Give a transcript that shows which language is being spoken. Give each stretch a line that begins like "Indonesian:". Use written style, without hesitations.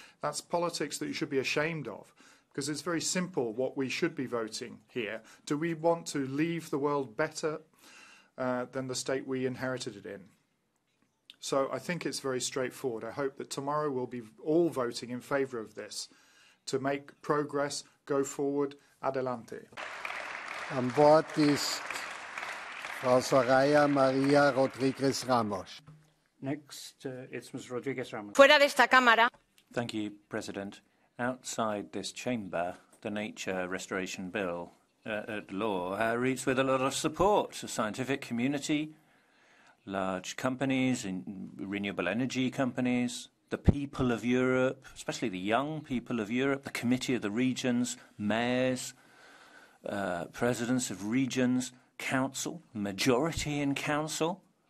English: That's politics that you should be ashamed of, because it's very simple what we should be voting here. Do we want to leave the world better than the state we inherited it in? So I think it's very straightforward. I hope that tomorrow we'll be all voting in favor of this to make progress, go forward, adelante.
German: Am Wort ist Frau Soraya Maria Rodriguez Ramos.
English: Next, it's Ms. Rodriguez Ramos.
Spanish: Fuera de esta cámara.
English: Thank you, President. Outside this chamber, the Nature Restoration Bill at law reads with a lot of support. The scientific community, large companies, renewable energy companies, the people of Europe, especially the young people of Europe, the Committee of the Regions, mayors, presidents of regions, council, majority in council.